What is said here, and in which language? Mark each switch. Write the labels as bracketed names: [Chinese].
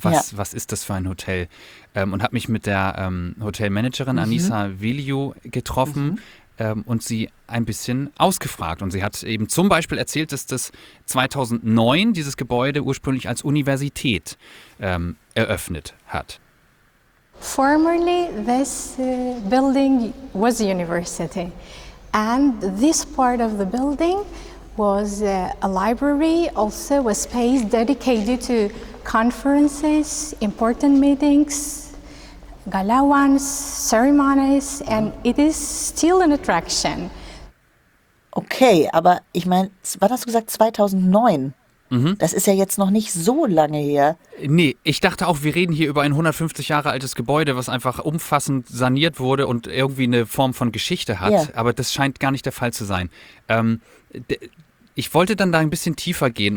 [German] Was ist das für ein Hotel? Und habe mich mit der Hotelmanagerin Anissa Viliu getroffen. Und sie ein bisschen ausgefragt. Und sie hat eben zum Beispiel erzählt, dass das 2009 dieses Gebäude ursprünglich als Universität eröffnet hat. [English] Formerly this building was a university. And this part of the building was a library, also a space dedicated to conferences, important meetings, gala ones, ceremonies, and it is still an attraction. [German] Okay, aber ich meine, wann hast du gesagt 2009? Das ist ja jetzt noch nicht so lange her. Nee, ich dachte auch, wir reden hier über ein 150 Jahre altes Gebäude, was einfach umfassend saniert wurde und irgendwie eine Form von Geschichte hat. Yeah. Aber das scheint gar nicht der Fall zu sein. Ich wollte dann da ein bisschen tiefer gehen.